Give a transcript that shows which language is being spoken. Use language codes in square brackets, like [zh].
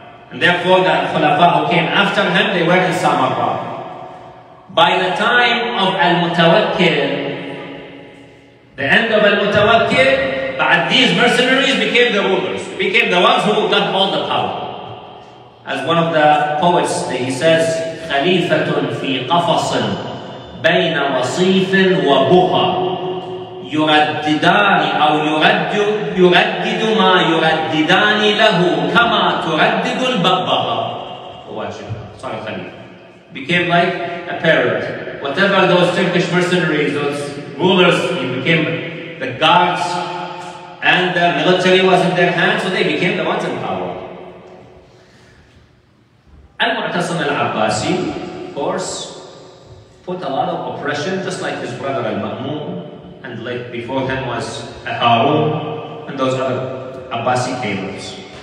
[en] And therefore the Khulafa who came after him, they were in Samarra. By the time of Al-Mutawakkil, the end of Al-Mutawakkil, but these mercenaries became the rulers, became the ones who got all the power. As one of the poets, he says, [ar] خَلِيفَةٌ فِي قَفَصٍ بَيْنَ وَصِيفٍ وَبُهَا يُرَدِّدَانِ أَوْ يُرَدِّدُ مَا يُرَدِّدَانِ لَهُ كَمَا تُرَدِّدُ الْبَبَّغَا. [en] Sorry, Khalifa. Became like a parrot. Whatever those Turkish mercenaries, those rulers, he became the guards, and the military was in their hands, so they became the ones in power. Al-Mu'tasim al-Abbasi, of course, put a lot of oppression, just like his brother al-Ma'mun, and like before him was al-Harun, and those other Abbasi caliphs.